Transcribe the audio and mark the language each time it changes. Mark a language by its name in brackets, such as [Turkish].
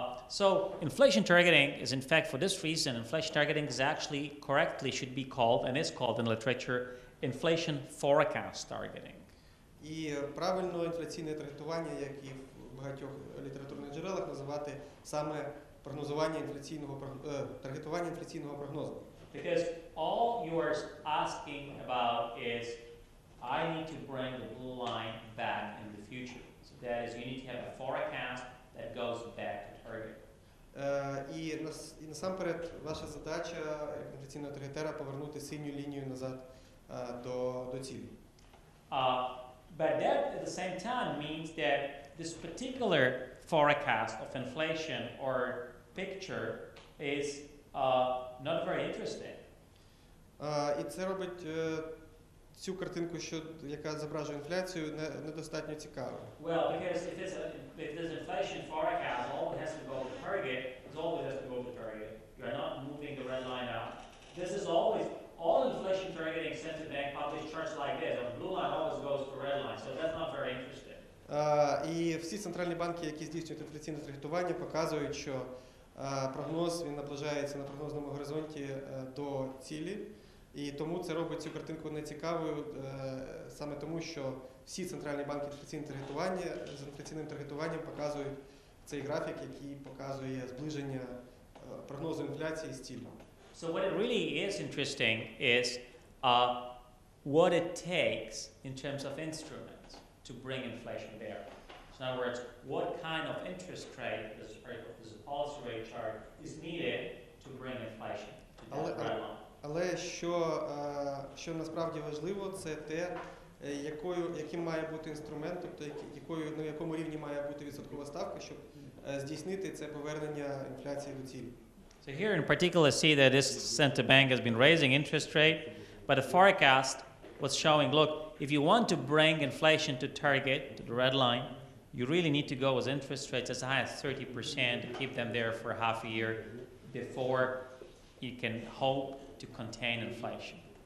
[English] So inflation targeting is in fact for this reason, inflation targeting is actually correctly should be called and is called in literature inflation forecast targeting. [Ukrainian] І правильно інфляційне таргетування, як і в багатьох літературних джерелах, називати саме прогнозування інфляційного таргетування інфляційного прогнозу. [English] Because all you are asking about is I need to bring the blue line back in the future. So that is you need to have a forecast that goes back to target. [Ukrainian] І насамперед ваша задача як інфляційного таргетера повернути синю лінію назад до цілі. [English] But that at the same time means that this particular forecast of inflation or picture is not very interesting. [Ukrainian] І це робить цю картинку, що яка зображує інфляцію, недостатньо цікавою. [English] Well, because if this inflation forecast always has to go to target, it always has to go to target. You are not moving the red line up. This is always all inflation targeting central bank published charts like this. A blue line always goes to red line, so that's not very interesting. [Ukrainian] І всі центральні банки, які здійснюють інфляційне таргетування, показують, що прогноз він наближається на прогнозному горизонті до цілі, і тому це робить цю картинку нецікавою, саме тому, що всі центральні банки з інфляційним таргетуванням показують цей графік, який показує зближення прогнозу інфляції з цілью. [English] So what it really is interesting is what it takes in terms of instruments to bring inflation there. So in other words, what kind of interest rate this policy rate chart is needed to bring inflation to that red line? [Ukrainian] Але що насправді важливо, це те, яким має бути інструмент, тобто на якому рівні має бути відсоткова ставка, щоб здійснити це повернення інфляції до цілі. [English] So here in particular see that this central bank has been raising interest rate, but the forecast was showing, look, if you want to bring inflation to target, to the red line, you really need to go with interest rates as high as 30% to keep them there for half a year before you can hope to contain inflation.